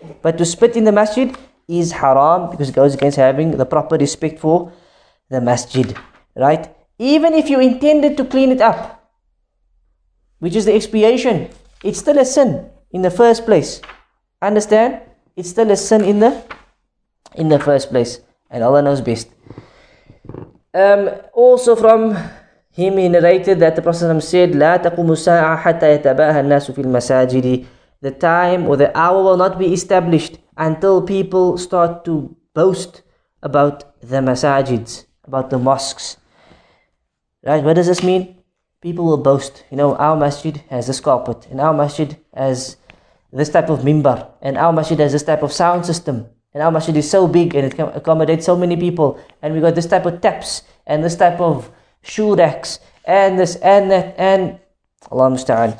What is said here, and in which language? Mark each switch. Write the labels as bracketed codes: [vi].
[en] But to spit in the masjid is haram because it goes against having the proper respect for the masjid. Right? Even if you intended to clean it up, which is the expiation, it's still a sin in the first place. Understand? It's still a sin in the first place. And Allah knows best. Also from him, he narrated that the Prophet said, [ar] لا تقوم الساعة حتى يتباهى الناس في المساجد. [en] The time or the hour will not be established until people start to boast about the masajids, about the mosques. Right? What does this mean? People will boast, you know, our masjid has this carpet, and our masjid has this type of mimbar, and our masjid has this type of sound system, and our masjid is so big, and it can accommodate so many people, and we got this type of taps, and this type of shoe racks, and this, and that, and Allah musta'an.